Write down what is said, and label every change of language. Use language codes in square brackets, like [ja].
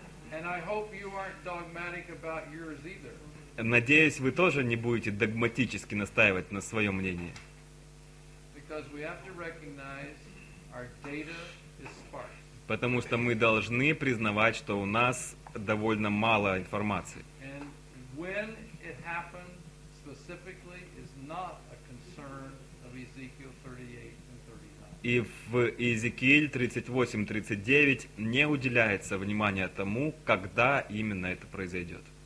[en] And I hope you aren't dogmatic about yours either. [ru] Надеюсь, вы тоже не будете догматически настаивать на своем мнении. [en] Because we have to recognize our data is sparse. [ru] Потому что мы должны признавать, что у нас довольно мало информации. [en] And when it happened specifically is not a concern of Ezekiel 38 and 39. [ru] И в Иезекииле 38-39 не уделяется внимания тому, когда именно это произойдет.